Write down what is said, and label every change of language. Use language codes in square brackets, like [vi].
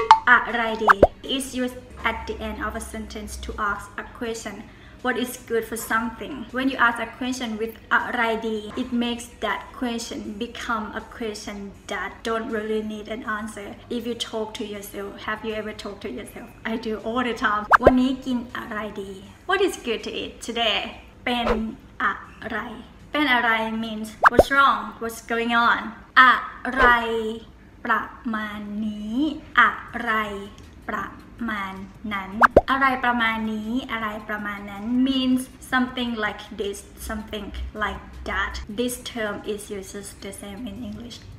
[th] อะไรดี [en] It's used at the end of a sentence to ask a question. What is good for something? When you ask a question with [th] อะไรดี [en] it makes that question become a question that don't really need an answer. If you talk to yourself, have you ever talked to yourself? I do all the time. [th] วันนี้กินอะไรดี [en] What is good to eat today? [th] เป็นอะไร เป็นอะไร [en] means what's wrong, what's going on. [th] อะไรประมาณนี้อะไรประมาณนั้นอะไรประมาณนี้อะไรประมาณนั้น [en] means something like this, something like that. This term is used the same in English.